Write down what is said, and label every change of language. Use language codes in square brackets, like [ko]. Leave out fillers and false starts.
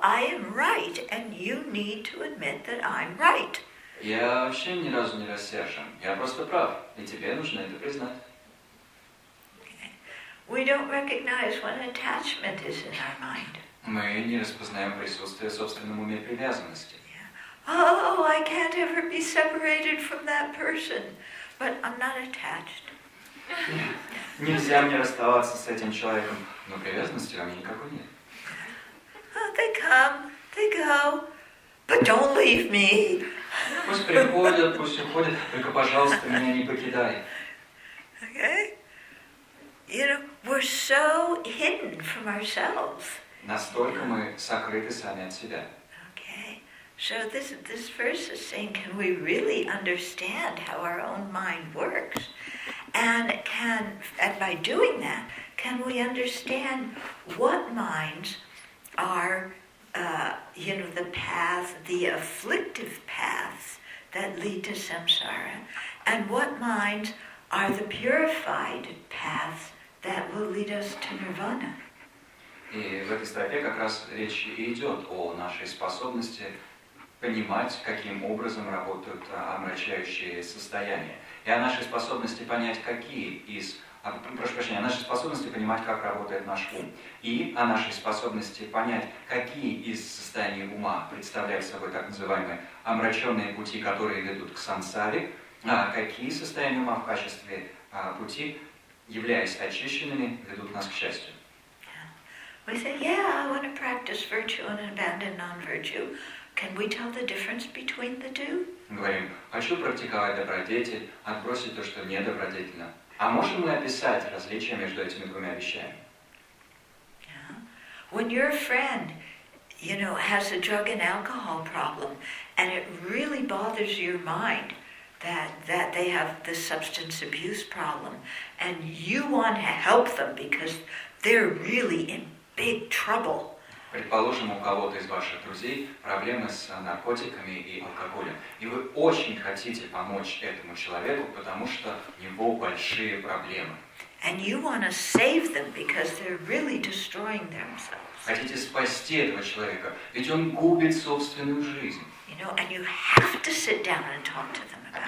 [en] I am right, and you need to admit that I'm right. [ru] Я вообще ни разу не рассержен. Я просто прав, и тебе нужно это признать. [en] We don't recognize when attachment is in our mind. [ru] Мы не распознаем присутствие в собственном уме привязанности. [en] Yeah. Oh, I can't ever be separated from that person, but I'm not attached. [ru] Нельзя мне расставаться с этим человеком, но привязанности у меня никакой нет. [en] They come, they go, but don't leave me. [ru] Пусть приходят, пусть уходят, только, пожалуйста, меня не покидай. [en] Okay? You know, we're so hidden from ourselves. [ru] Настолько мы сокрыты сами от себя. [en] Okay. So this verse is saying, can we really understand how our own mind works? And can, and by doing that, can we understand what minds are, you know, the path, the afflictive paths that lead to samsara, and what minds are the purified paths that will lead us to nirvana. [ru] И в этой статье как раз речь и идет о нашей способности понимать, каким образом работают омрачающие состояния. И о нашей способности понять, какие из... Прошу прощения, о нашей способности понимать, как работает наш ум. И о нашей способности понять, какие из состояний ума представляют собой так называемые омраченные пути, которые ведут к сансаре, а какие состояния ума в качестве пути, являясь очищенными, ведут нас к счастью. [en] We say, yeah, I want to practice virtue and abandon non-virtue. Can we tell the difference between the two? [ru] Говорим, хочу практиковать добродетель, отбросить то, что недобродетельно. А можем мы описать различия между этими двумя вещами? [en] Yeah. When your friend, you know, has a drug and alcohol problem, and it really bothers your mind that they have the substance abuse problem, and you want to help them because they're really in big trouble. [ru] Предположим, у кого-то из ваших друзей проблемы с наркотиками и алкоголем. И вы очень хотите помочь этому человеку, потому что у него большие проблемы. [en] And you want to save them because they're really destroying themselves. [ru] Хотите спасти этого человека, ведь он губит собственную жизнь. [en] You know, and you have to sit down and talk to them about